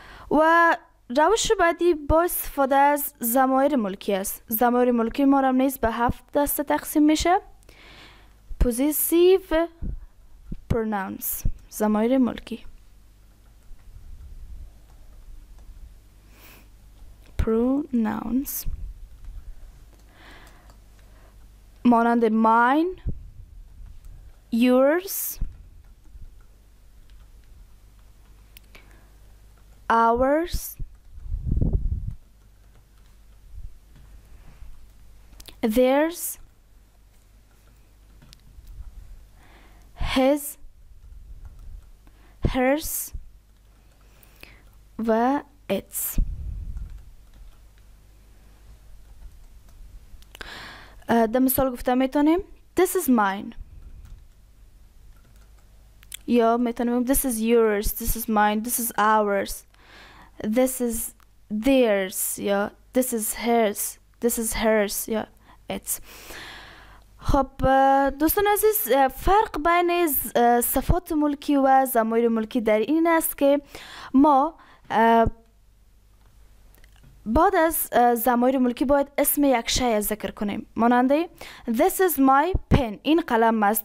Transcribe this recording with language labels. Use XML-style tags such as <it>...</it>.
<fa>و روش بعدی با استفاده از ضمایر ملکی است. ضمایر ملکی ما هم نیز به هفت دسته تقسیم میشه:</fa> <en>possessive pronouns،</en> <fa>ضمایر ملکی.</fa> <en>pronouns</en> <fa>مانند</fa> <en>mine, yours, ours, theirs, his, hers, و its.</en> <fa>در مثال گفته میتونیم</fa> <en>this is mine، یا میتونیم this is yours, this is mine, this is ours, this is theirs، یا this is hers, this is hers، یا It's.</en> <fa>خب دوستان عزیز، فرق بین صفات ملکی و ضمایر ملکی در این است که ما بعد از ضمایر ملکی باید اسم یک شی ذکر کنیم، ماننده</fa> <en>This is my pen،</en> <fa>این قلم است.</fa>